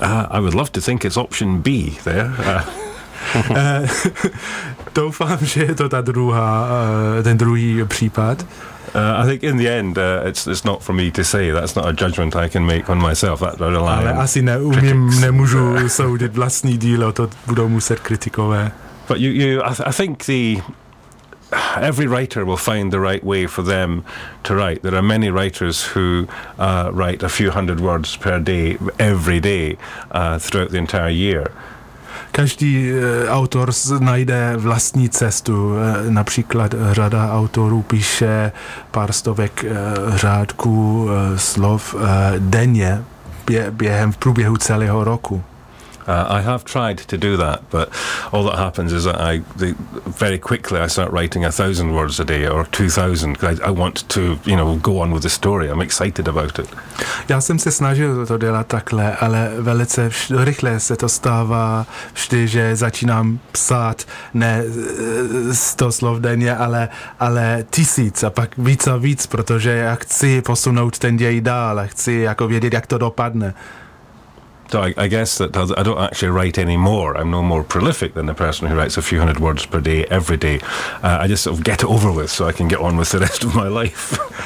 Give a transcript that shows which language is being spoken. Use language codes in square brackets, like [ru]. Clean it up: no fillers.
[en] I would love to think it's option B there. [cs] Doufám, že je to ta druhá, ten druhý případ. [en] I think in the end, it's not for me to say. That's not a judgment I can make on myself. That I rely [cs] on asi neumím, nemůžu soudit vlastní dílo, to budou muset kritikové. [en] But I think the... Every writer will find the right way for them to write. There are many writers who write a few hundred words per day, every day, throughout the entire year. [cs] Každý autor najde vlastní cestu. Například řada autorů píše pár stovek řádků slov denně během v průběhu celého roku. [en] I have tried to do that, but all that happens is that I very quickly start writing 1,000 words a day or 2,000 because I want to, you know, go on with the story. I'm excited about it. [cs] Já jsem se snažil to dělat takhle, ale velice rychle se to stává vždy, že začínám psát ne 100 slov denně, ale 1,000 a pak víc a víc, protože já chci posunout ten děj dál a chci jako vědět, jak to dopadne. [en] So I guess that I don't actually write any more. I'm no more prolific than the person who writes a few hundred words per day, every day. I just sort of get it over with so I can get on with the rest of my life.